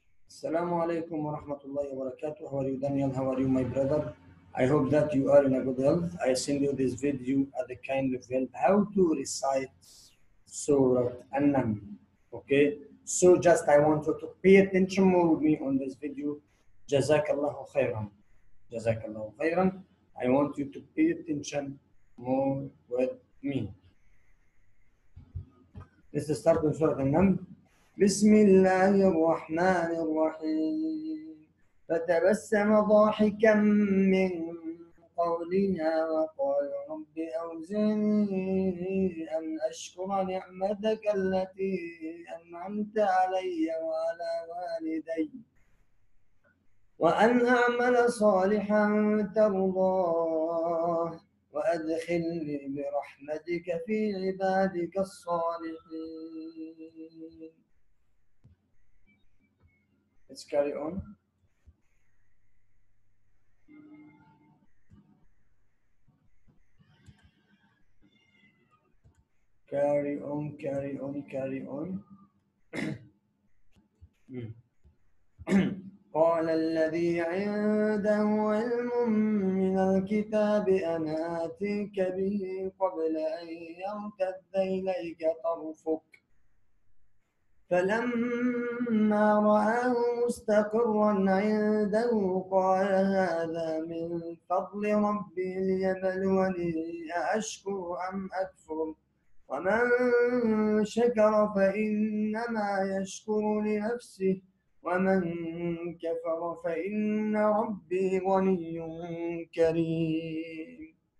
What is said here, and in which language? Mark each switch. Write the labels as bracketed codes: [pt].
[ar] السلام عليكم ورحمة الله وبركاته. [en] How are you Daniel? How are you my brother? I hope that you are in a good health. I send you this video at the kind of help how to recite Surah An-Naml. Okay, so just I want you to pay attention more with me on this video. Jazakallahu khairan. Jazakallahu khairan. I want you to pay attention more with me. This is starting Surah An-Naml. [ar] بسم الله الرحمن الرحيم فتبسم ضاحكا من قولنا وقال رب أوزعني أن أشكر نعمتك التي أنعمت علي وعلى والدي وأن أعمل صالحا ترضاه وأدخلني برحمتك في عبادك الصالحين. [en] Let's carry on. Carry on, carry on, carry on. [ar] قال الذي عنده علم من الكتاب أنا آتيك به قبل أن يرتد إليك طرفك فلما رآه مستقرا عنده قال هذا من فضل ربي ليبلوني أأشكر أم أكفر ومن شكر فإنما يشكر لنفسه ومن كفر فإن ربي غني كريم.